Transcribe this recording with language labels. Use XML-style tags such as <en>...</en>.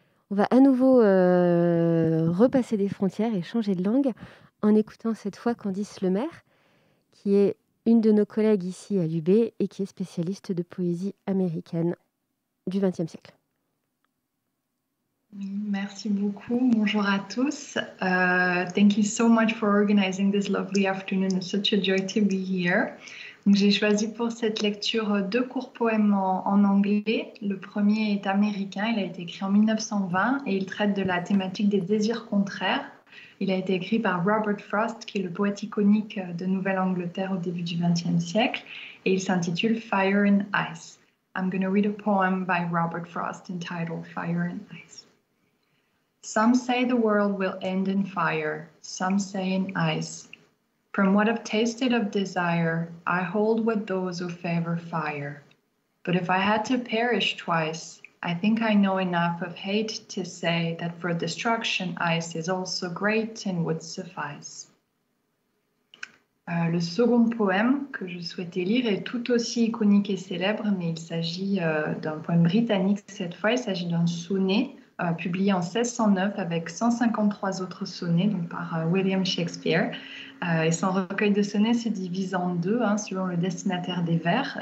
<fr>On va à nouveau repasser des frontières et changer de langue en écoutant cette fois Candice Lemaire, qui est une de nos collègues ici à l'UB et qui est spécialiste de poésie américaine du XXe siècle. Merci beaucoup. Bonjour à tous.</fr> <en>Thank you so much for organizing this lovely afternoon. It's such a joy to be here.</en> <fr>Donc, j'ai choisi pour cette lecture deux courts poèmes en anglais. Le premier est américain, il a été écrit en 1920 et il traite de la thématique des désirs contraires. Il a été écrit par Robert Frost, qui est le poète iconique de Nouvelle-Angleterre au début du XXe siècle, et il s'intitule « Fire and Ice ».</fr> <en>I'm going to read a poem by Robert Frost entitled « Fire and Ice ». Some say the world will end in fire, some say in ice. From what I've tasted of desire, I hold with those who favor fire. But if I had to perish twice, I think I know enough of hate to say that for destruction, ice is also great and would suffice.</en> <fr>Le second poème que je souhaitais lire est tout aussi iconique et célèbre, mais il s'agit d'un poème britannique cette fois, il s'agit d'un sonnet publié en 1609 avec 153 autres sonnets donc par William Shakespeare. Et son recueil de sonnets se divise en deux, hein, selon le destinataire des vers.</fr>